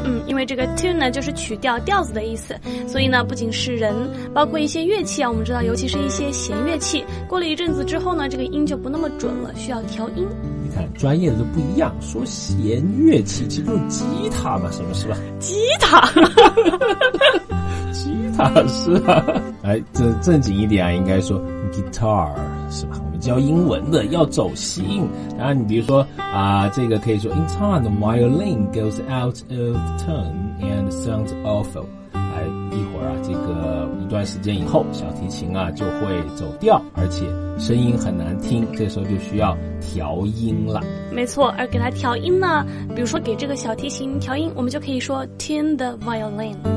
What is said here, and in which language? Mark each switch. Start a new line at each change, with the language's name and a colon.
Chinese: 因为这个 tune 呢就是曲调调子的意思，所以呢不仅是人，包括一些乐器啊，我们知道尤其是一些弦乐器，过了一阵子之后呢这个音就不那么准了，需要调音。你看专业的都不一样，说弦乐器其实就是吉他嘛，什么是吧，吉他。吉他是啊。哎，正经一点啊，应该说 guitar 是吧？我们教英文的要走心。然后你比如说啊，这个可以说
English: in time the violin goes out of tune and sounds awful。
Chinese: 哎，一会儿啊，这个一段时间以后，小提琴啊就会走调，而且声音很难听，这时候就需要调音了。没错，而给它调音呢，比如说给这个小提琴调音，我们就可以说
English: tune the violin。